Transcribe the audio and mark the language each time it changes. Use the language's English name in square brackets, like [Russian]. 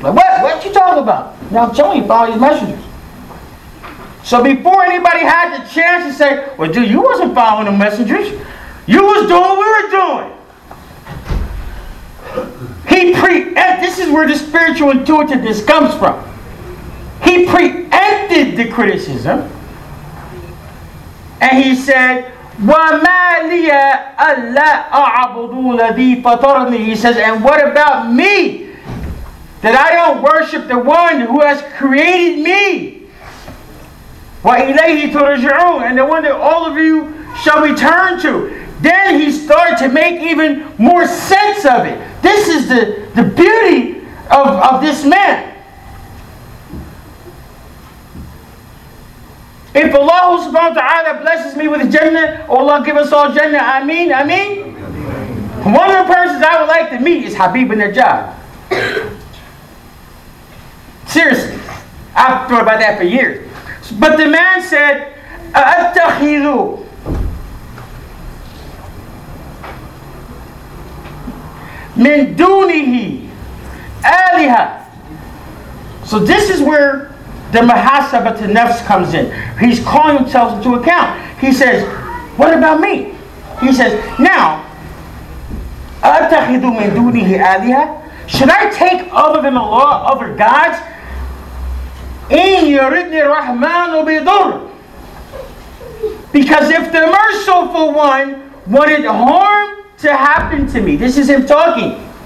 [English] Like, what you talking about? Now tell me, follow these messengers. So before anybody had the chance to say, well, dude, you wasn't following the messengers. You was doing what we were doing. This is where the spiritual intuitiveness comes from. He preempted the criticism. And he said, [Arabic] وَمَا لِيَ أَلَّا أَعْبُدُ الَّذِي فَطَرَنِي. [English] He says, and what about me? That I don't worship the one who has created me. [Arabic] وَإِلَيْهِ تُرْجِعُونَ, [English] and the one that all of you shall return to. Then he started to make even more sense of it. This is the beauty of this man. If Allah subhanahu wa ta'ala blesses me with Jannah, or Allah give us all Jannah, I mean. One of the persons I would like to meet is Habib al-Najjar. Seriously. I've thought about that for years. But the man said, [Arabic] أَتَّخِذُ min dunihi aliha. [English] So this is where the muhasabat nafs comes in. He's calling himself into account. He says, what about me? He says, now, [Arabic] أَتَّخِذُ مِن دُونِهِ آلِهَةً. [English] Should I take other than Allah, other gods? [Arabic] إِن يَرِدْنِ الرَّحْمَنُ بِضُرٍّ. [English] Because if the merciful one wanted harm to happen to me, this is him talking.